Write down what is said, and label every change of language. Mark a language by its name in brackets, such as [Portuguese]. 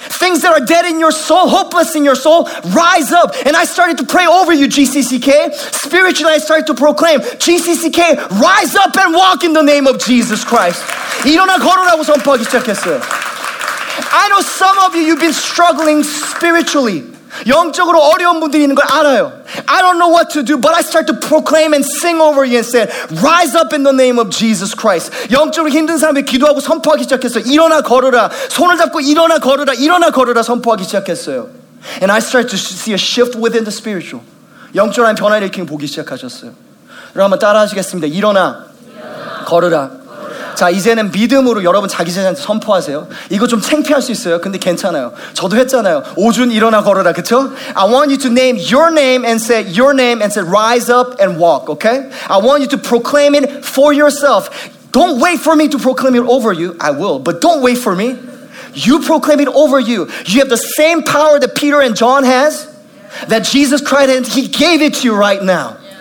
[English] Things that are dead in your soul, hopeless in your soul, rise up. And I started to pray over you, GCCK. Spiritually, I started to proclaim, GCCK, rise up and walk in the name of Jesus Christ. [Korean] 일어나 걸어라고 선포하기 시작했어요. [English] I know some of you, you've been struggling spiritually. [Korean] 영적으로 어려운 분들이 있는 걸 알아요. [English] I don't know what to do, but I start to proclaim and sing over you and say, rise up in the name of Jesus Christ. [Korean] 영적으로 힘든 사람이 기도하고 선포하기 시작했어요. 일어나 걸으라. 손을 잡고 일어나 걸으라. 일어나 걸으라 선포하기 시작했어요. [English] And I start to see a shift within the spiritual. [Korean] 영적으로 변화를 이렇게 보기 시작하셨어요. 그럼 한번 따라하시겠습니다. 일어나. 걸으라. 자 이제는 믿음으로 여러분 자기 자신한테 선포하세요. 이거 좀 창피할 수 있어요. 근데 괜찮아요. 저도 했잖아요. 오준 일어나 걸어라. 그쵸? [English] I want you to name your name and say your name and say rise up and walk. Okay? I want you to proclaim it for yourself. Don't wait for me to proclaim it over you. I will. But don't wait for me. You proclaim it over you. You have the same power that Peter and John has that Jesus Christ and he gave it to you right now.